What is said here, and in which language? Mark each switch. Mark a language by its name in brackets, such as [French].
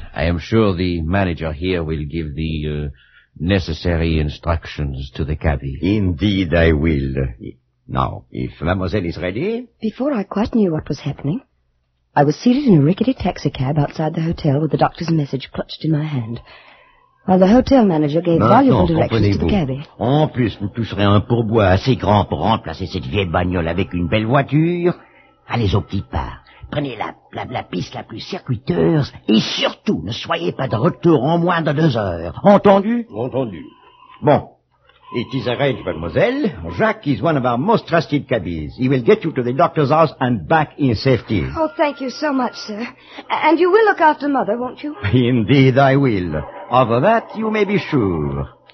[English] I am sure the manager here will give the necessary instructions to the cabby. Indeed, I will. Now, if mademoiselle is ready... Before I quite knew what was happening, I was seated in a rickety taxicab outside the hotel with the doctor's message clutched in my hand. While the hotel manager gave valuable directions to the cabby. [French] En plus, vous toucherez un pourboire assez grand pour remplacer cette vieille bagnole avec une belle voiture. Allez au petit pas. Prenez la piste la plus circuiteuse et surtout ne soyez pas de retour en moins de 2 heures. Entendu? Entendu. Bon. [English] It is arranged, mademoiselle. Jacques is one of our most trusted cabbies. He will get you to the doctor's house and back in safety. Oh, thank you so much, sir. And you will look after Mother, won't you? Indeed, I will. Of that, you may be sure.